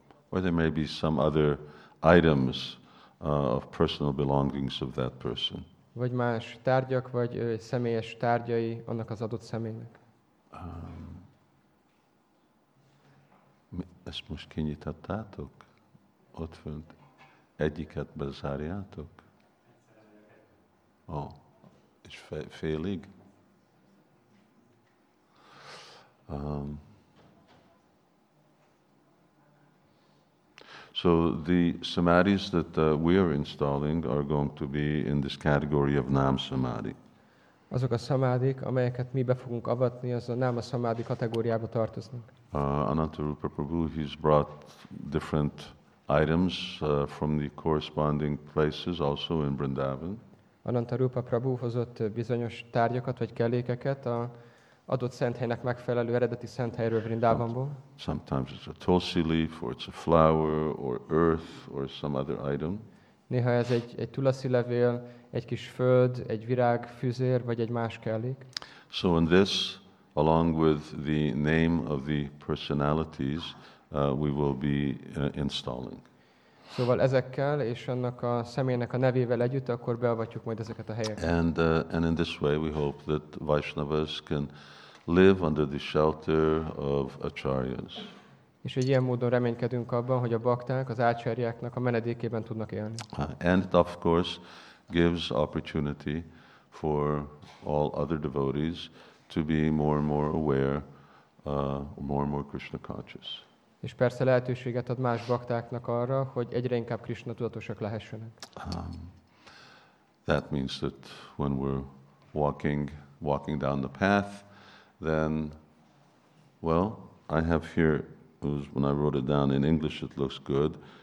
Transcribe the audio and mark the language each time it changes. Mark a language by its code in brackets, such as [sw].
[en] Or there may be some other items of personal belongings of that person. [hu] Vagy más tárgyak, vagy személyes tárgyai annak az adott személynek. Ezt most kinyitattátok? Ott fönt egyiket bezárjátok? Ó, és félig? [en] So the samadhis that we are installing are going to be in this category of nam samadhi. [hu] Azok a samadhik, amelyeket mi be fogunk avatni, az a nama samadhi kategóriába tartoznak. [en] Ananta Rupa Prabhu, he's brought different items from the corresponding places also in Vrindavan. [hu] Ananta Rupa Prabhu hozott bizonyos tárgyakat vagy kellékeket a adott szent helynek megfelelő eredeti szent helyről Vrindávanból. [en] Sometimes it's a tulsi leaf, or it's a flower, or earth, or some other item. [hu] Néha ez egy tulsi levél, egy kis föld, egy virág, füzér, vagy egy más kellék. [en] So in this, along with the name of the personalities, we will be installing. [hu] Szóval ezekkel és annak a személynek a nevével együtt akkor beavatjuk majd ezeket a helyeket. [en] And in this way we hope that Vaishnavas can live under the shelter of acharyas. [hu] És egy ilyen módon reménykedünk abban, hogy a bakták, az ácsárjáknak a menedékében tudnak élni. [en] And it of course gives opportunity for all other devotees to be more and more aware, more and more Krishna conscious. [hu] És persze lehetőséget ad más baktáknak arra, hogy egyre inkább Krishna tudatosak lehessenek. [en] That means that when we're walking down the path, then, well, I have here, when I wrote it down in English, it looks good.